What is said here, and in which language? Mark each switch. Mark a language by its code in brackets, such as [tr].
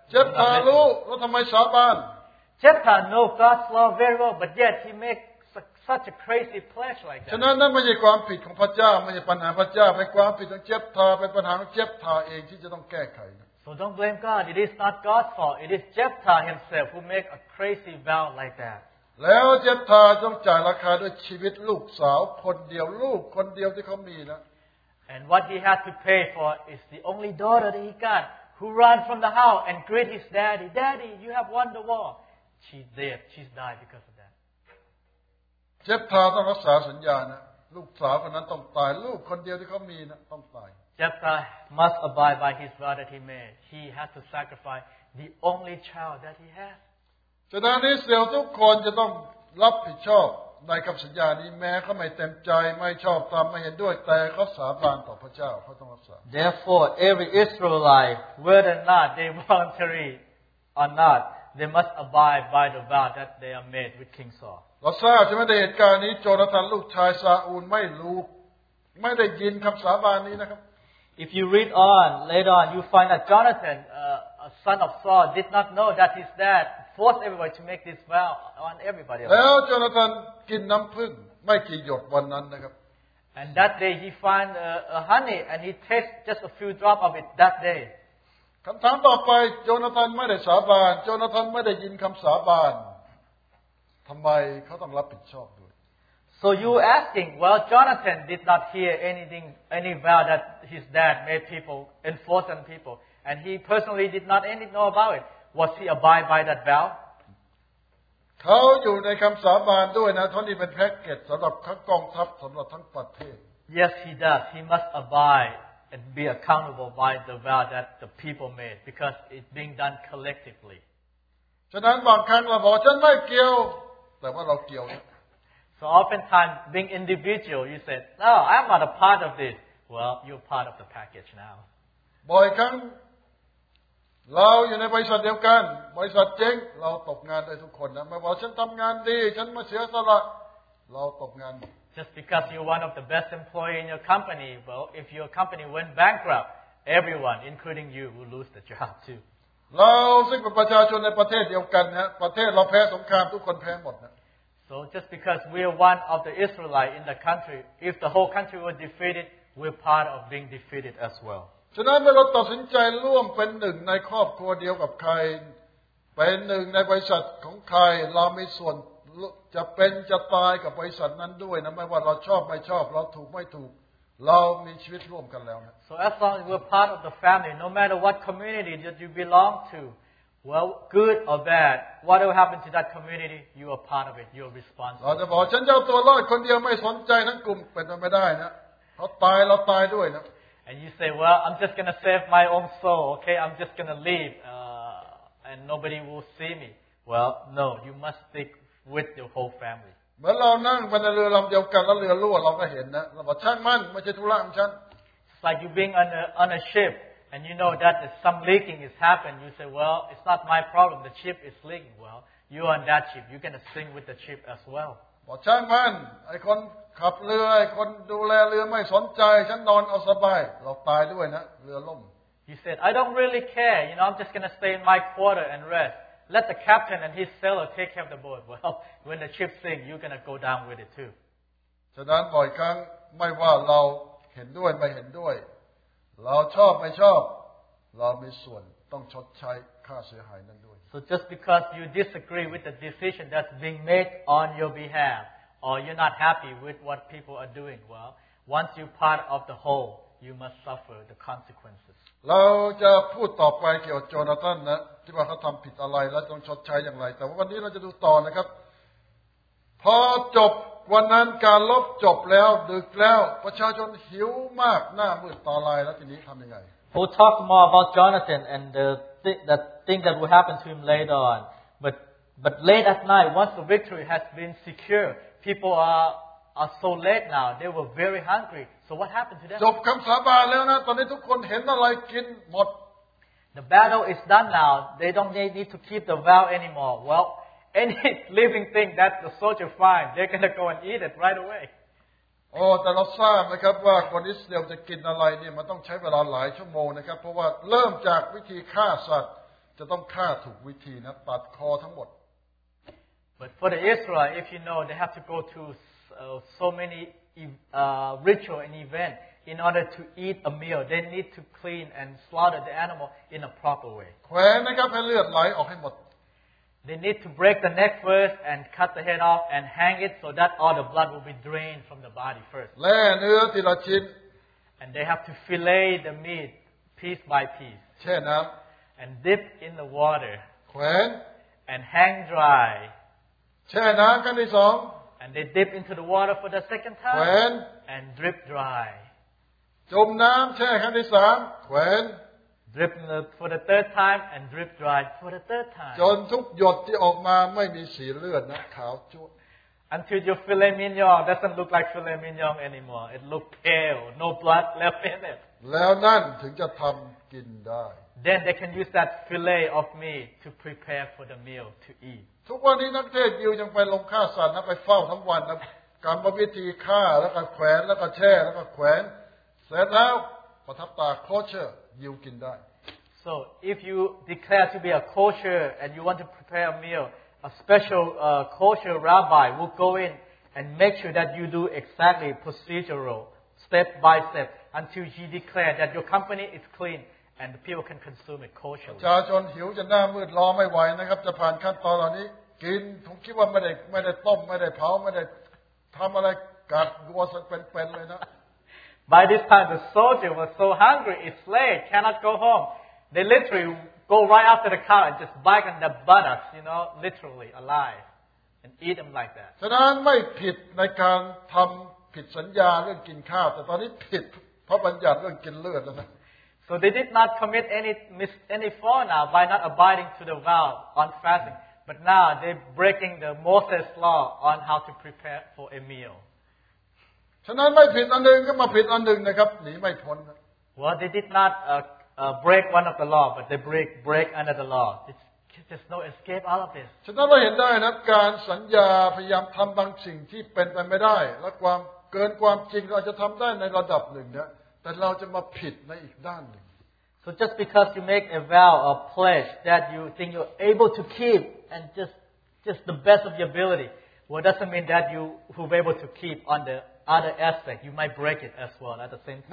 [th] Jephthah รู้ว่าทำไมสาบาน [en] Jephthah know God's law very well, but yet he makesuch a crazy pledge like that [th] ฉะนั้นนั่นไม่ใช่ความผิดของพระเจ้าไม่ใช่ปัญหาพระเจ้าเป็นความผิดของเจฟทาเป็นปัญหาของเจฟทาเองที่จะต้องแก้ไข [en] So don't blame God it is not God's fault it is Jephthah himself who make a crazy vow like that [th] แล้วเจฟทาต้องจ่ายราคาด้วยชีวิตลูกสาวคนเดียวลูกคนเดียวที่เขามีนะ [en] And what he had to pay for is the only daughter that he got who ran from the house and greet his daddy you have won the war she's died because of that [th] เจฟทาต้องรักษาสัญญานะลูกสาวคนนั้นต้องตายลูกคนเดียวที่เขามีนะต้องตาย [en] เจฟทา must abide by his vow that he made he has to sacrifice the only child that he has [th] ฉะนั้นอิสราเอลทุกคนจะต้องรับผิดชอบในคำสัญญานี้แม้เขาไม่เต็มใจไม่ชอบตามไม่เห็นด้วยแต่เขาสาบานต่อพระเจ้าเขาต้องรักษา [en] therefore every Israelite whether or not they voluntary or not they must abide by the vow that they are made with King Saul [th] เราทราบใช่ไหมในเหตุการณ์นี้โจนาธานลูกชายซาอูลไม่รู้ไม่ได้ยินคำสาบานนี้นะครับ [en] If you read on later on you find that Jonathan a son of Saul did not know that his dad forced everybody to make this vow on everybody else. [th] แล้วโจนาธานกินน้ำผึ้งไม่กี่หยดวันนั้นนะครับ [en] And that day he found a honey and he tasted just a few drops of it that day. [th] คำถามต่อไปโจนาธานไม่ได้สาบานโจนาธานไม่ได้ยินคำสาบานทำไมเขาต้องรับผิดชอบด้วย [en] So you asking, well, Jonathan did not hear anything, any vow that his dad made people enforce on people, and he personally did not any know about it. Was he abide by that vow? [th] เขาอยู่ในคำสาบานด้วยนะท่านนี้เป็นแพ็กเกจสำหรับทั้งกองทัพสำหรับทั้งประเทศ [en] Yes, he does. He must abide and be accountable by the vow that the people made because it's being done collectively. [th] ฉะนั้นบางครั้งเราบอกฉันไม่เกี่ยวแต่ว่าเราเกี่ยว [en] So oftentimes being individual you said no I'm not a part of this well you're part of the package now [th] บ่อยครั้งเราอยู่ในบริษัทเดียวกันบริษัทเจ๊งเราตกงานได้ทุกคนนะไม่ว่าฉันทำงานดีฉันไม่เสียสละเราตกงาน [en] Just because you're one of the best employee in your company well if your company went bankrupt everyone including you will lose the job too [th] เราซึ่งเป็นประชาชนในประเทศเดียวกันนะประเทศเราแพ้สงครามทุกคนแพ้หมดนะ [en] So just because we are one of the Israelite in the country if the whole country were defeated we're part of being defeated as well [th] ฉะนั้นเราตัดสินใจร่วมเป็นหนึ่งในครอบครัวเดียวกับใครเป็นหนึ่งในบริษัทของใครเรามีส่วนจะเป็นจะตายกับบริษัทนั้นด้วยนะไม่ว่าเราชอบไม่ชอบเราถูกไม่ถูกเรามีชีวิตร่วมกันแล้วนะ [en] So as long as we're part of the family, no matter what community that you belong to, well, good or bad, whatever happens to that community, you are part of it. You're responsible. [th] เราจะบอกฉันจะเอาตัวรอดคนเดียวไม่สนใจทั้งกลุ่มเป็นไปไม่ได้นะเพราะตายเราตายด้วยนะ [en] And you say, well, I'm just gonna save my own soul. Okay, I'm just gonna leave, and nobody will see me. Well, no, you must stick with your whole family. [th] เมื่อเรานั่งบนเรือลำเดียวกันแล้วเรือรั่วเราก็เห็นนะเราบอกช่างมันไม่ใช่ธุระของฉัน [en] It's like you being on a ship and you know that some leaking is happening you say well it's not my problem the ship is leaking well you're on that ship you're gonna sink with the ship as well [th] บอกช่างมันไอ้คนขับเรือไอ้คนดูแลเรือไม่สนใจฉันนอนเอาสบายเราตายด้วยนะเรือล่ม [en] He said I don't really care you know I'm just gonna stay in my quarter and restLet the captain and his sailor take care of the boat. Well, when the ship sinks, you're going to go down with it too. [th] ฉะนั้นบ่อยครั้งไม่ว่าเราเห็นด้วยไม่เห็นด้วยเราชอบไม่ชอบเรามีส่วนต้องชดใช้ค่าเสียหายนั้นด้วย [en] So just because you disagree with the decision that's being made on your behalf, or you're not happy with what people are doing, well, once you're part of the whole, you must suffer the consequences. [th] เราจะพูดต่อไปเกี่ยวกับโจนาธานนะที่ว่าเขาทำผิดอะไรและต้องชดใช้อย่างไรแต่ว่าวันนี้เราจะดูต่อนะครับพอจบวันนั้นการลบจบแล้วดึกแล้วประชาชนหิวมากหน้ามืดตาลายแล้วทีนี้ทำยังไง [en] We'll talk more about Jonathan and the thing that will happen to him later on but late at night once the victory has been secured people are so late now they were very hungrySo what happened to them? [th] จบคำสาบานแล้วนะตอนนี้ทุกคนเห็นอะไรกินหมด [en] The battle is done now. They don't need to keep the vow anymore. Well, any living thing that the soldier find, they're gonna go and eat it right away. [th] โอ้แต่เราทราบนะครับว่าคนอิสราเอลจะกินอะไรเนี่ยมันต้องใช้เวลาหลายชั่วโมงนะครับเพราะว่าเริ่มจากวิธีฆ่าสัตว์จะต้องฆ่าถูกวิธีนะตัดคอทั้งหมด [en] But for the Israelites, if you know, they have to go to so manyritual and event in order to eat a meal they need to clean and slaughter the animal in a proper way [th] แขวนนะครับให้เลือดไหลออกให้หมด [en] they need to break the neck first and cut the head off and hang it so that all the blood will be drained from the body first [th] แล้วเนื้อทีละชิ้น [en] and they have to fillet the meat piece by piece [th] แช่น้ำ [en] and dip in the water [th] แขวน [en] and hang dry [th] แช่น้ำครั้งที่2 [en] And they dip into the water for the second time. When? And drip dry. [th] จมน้ำแช่ครั้งที่สาม [en] When? Drip for the third time and drip dry for the third time. [th] จนทุกหยดที่ออกมาไม่มีสีเลือดนะขาวจั๊ว [en] Until your filet mignon doesn't look like filet mignon anymore. It looks pale, no blood left in it. [th] แล้วนั่นถึงจะทำกินได้ [en] Then they can use that filet of meat to prepare for the meal to eat. [th] ทุกวันนี้นักเทศยิวยังไปลงฆ่าสัตว์นะไปเฝ้าทั้งวันนะกรรมวิธีฆ่าแล้วก็แขวนแล้วก็แช่แล้วก็แขวนเสร็จแล้วประทับตาโคเชอร์ยิวกินได้ [en] so if you declare to be a kosher and you want to prepare a meal a special kosher rabbi will go in and make sure that you do exactly procedural step by step until you declare that your company is cleanAnd the people can consume it kosher. [th] ชาชนหิวจนหน้ามืดรอไม่ไหวนะครับจะผ่านขั้นตอนเหล่านี้กินผมคิดว่าไม่ได้ต้มไม่ได้เผาไม่ได้ทำอะไรกัดวัวสักเป็นๆเลยนะ [en] By this time the soldier was so hungry, it's late, cannot go home. They literally go right after the cow and just bite on the buttocks, you know, literally alive, and eat them like that. [th] ฉะนั้นไม่ผิดในการทำผิดสัญญาเรื่องกินข้าวแต่ตอนนี้ผิดเพราะบัญญัติเรื่องกินเลือดแล้วนะ [en] So they did not commit any fault now by not abiding to the vow on fasting. But now they're breaking the Moses law on how to prepare for a meal. [th] ฉะนั้นไม่ผิดอันหนึ่งก็มาผิดอันหนึ่งนะครับหนีไม่พ้น [en] Well, they did not break one of the law, but they break another law. There's no escape out of this. [th] ฉะนั้นเราเห็นได้นะการสัญญาพยายามทำบางสิ่งที่เป็นไปไม่ได้และความเกินความจริงเราจะทำได้ในระดับหนึ่งนะแต่เราจะมาผิดในอีกด้านหนึ่ง [en] So just because you make a vow or pledge that you think you're able to keep and just the best of your ability, well, doesn't mean that you will be able to keep on the other aspect. You might break it as well at the same time.